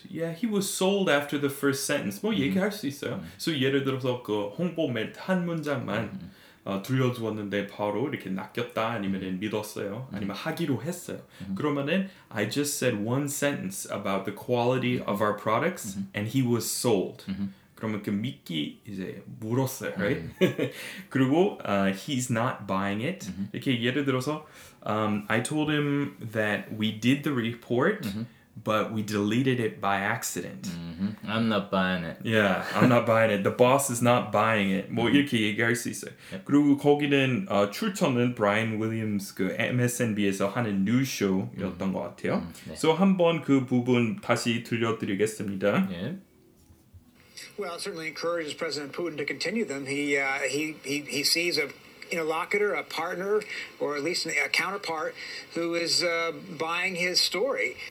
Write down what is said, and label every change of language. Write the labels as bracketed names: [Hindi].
[English] Yeah, he was sold after the first sentence. [Korean] 뭐 얘기할 수 있어요. So 예를 들어서 그 홍보 멘트 한 문장만 들려주었는데 바로 이렇게 낚였다 아니면은 믿었어요 아니면 하기로 했어요. 그러면은 [English] I just said one sentence about the quality of our products and he was sold. [Korean] 그러면 그 미끼 이제 물었어요, [English] right? [Korean] 그리고 [English] he's not buying it. [Korean] 이렇게 예를 들어서 [English] I told him that we did the report, but we deleted it by accident. I'm not buying it. Yeah, I'm not buying it. The boss is not buying it. [Korean] 뭐 이렇게 얘기할 수 있어요. [English] Yep. [Korean] 그리고 거기는 출처는 브라이언 윌리엄스 그 MSNBC에서 하는 뉴스 쇼였던 것 같아요. 그래서 네. 한번 그 부분 다시 들려드리겠습니다. [English] Yep. Well, it certainly encourages President Putin to continue them. He sees a interlocutor, a partner, or at least a counterpart who is buying his story.